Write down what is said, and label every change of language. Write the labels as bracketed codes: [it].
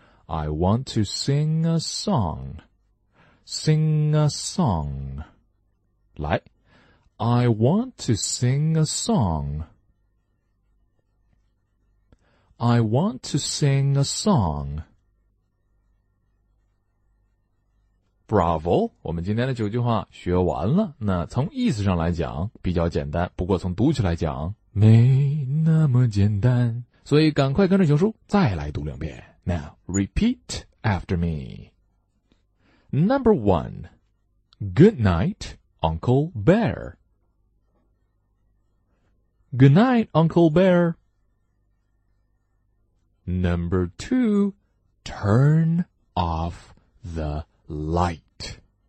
[en] I want to sing a song, sing a song. 来 ,I want to sing a song, I want to sing a song. Bravo, [zh] 我们今天的九句话学完了。那从意思上来讲比较简单，不过从读起来讲没那么简单。所以赶快跟着熊叔再来读两遍。 [en] Now, repeat after me. Number one, Good night, Uncle Bear. Good night, Uncle Bear. Number two, Turn off the light.